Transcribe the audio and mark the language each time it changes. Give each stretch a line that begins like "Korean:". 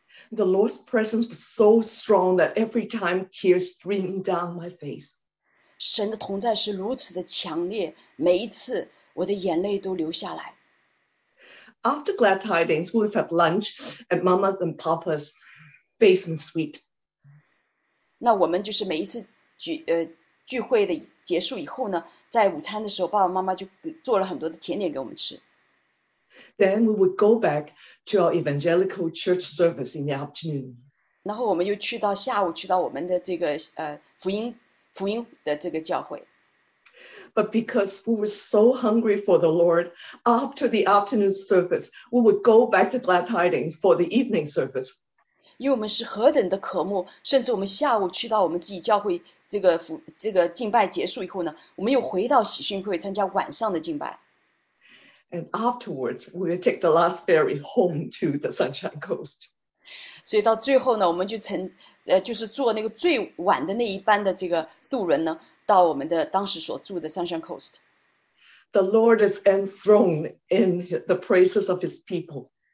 English: The Lord's presence was so strong that every time tears streamed down my face.
Chinese: 神的同在是如此的强烈,每一次我的眼泪都流下来。
English: After glad tidings, we would have lunch at mama's and papa's basement suite.
Chinese: 那我们就是每一次聚会的 结束以后呢, 在午餐的时候, 爸爸妈妈就做了很多的甜点给我们吃。
English: Then we would go back to our evangelical church service in the afternoon.
Chinese: 然后我们又去到下午, 去到我们的这个, 福音的这个教会。
English: But because we were so hungry for the Lord, after the afternoon service, we would go back to glad tidings for the evening service.
Chinese: 因为我们是何等的渴慕, 甚至我们下午去到我们自己教会, 这个敬拜结束以后呢, 我们又回到喜讯会, 参加晚上的敬拜。
English: And afterwards, we would take the last ferry home to the Sunshine Coast.
Chinese: 所以到最后呢, 我们就乘, 就是坐那个最晚的那一班的这个渡轮呢, 到我们的当时所住的 Sunshine Coast.
English: The Lord is enthroned in the praises of his people.